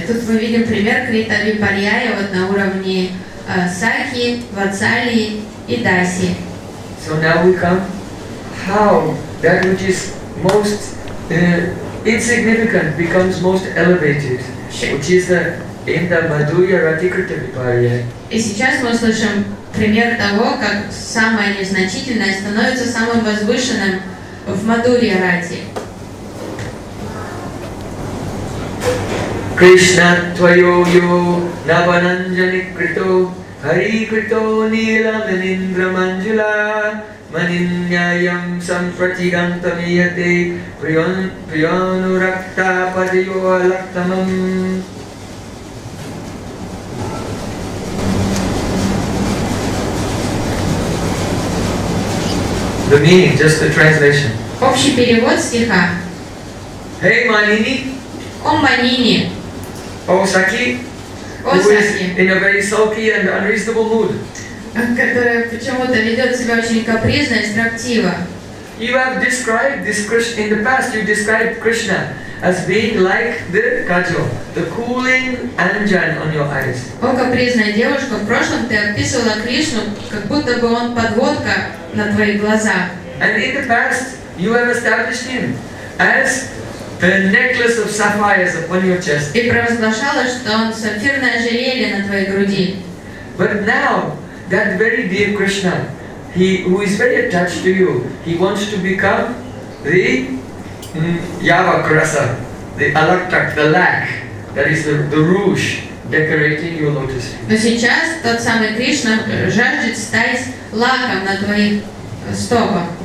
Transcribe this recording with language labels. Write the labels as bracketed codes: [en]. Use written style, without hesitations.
[ru] И тут мы видим пример Крита Випарьяя вот на уровне Сакьи, Ватсалии и Даси. [en] So now we come how that which is most insignificant becomes most elevated. Which is the Inda Madhuya Ratikrita Viparya. [ru] И сейчас мы услышим пример того, как самое незначительное становится самым возвышенным в Мадурья Рати. [sa] Кришна твоё ю наваранджани крито хари крито нила маниндра манджула манинняям самфратигантамияте приянуракта падио алактамам. [en] The meaning, just the translation. [ru] Общий перевод стиха. [en] Hey, Manini. [ru] О, Манини. О, Саки. О, Саки. [en] In a very sulky and unreasonable mood. [ru] Которая почему-то ведет себя очень капризно и строптиво. [en] You have described this Krishna in the past. You described Krishna as being like the kajal, the cooling anjan on your eyes. [ru] О, капризная девушка, в прошлом ты описывала Кришну, как будто бы он подводка на твои глаза. [en] And in the past, you have established him as the necklace of sapphires upon your chest. [ru] И провозглашала, что он сапфирное ожерелье на твоей груди. [en] But now, that very dear Krishna, he who is very attached to you, he wants to become the Yavakrasa, the Alaktak, the lac, that is the rouge decorating your lotus feet. [ru] Но сейчас тот самый Кришна жаждет стать лаком на твоих стопах.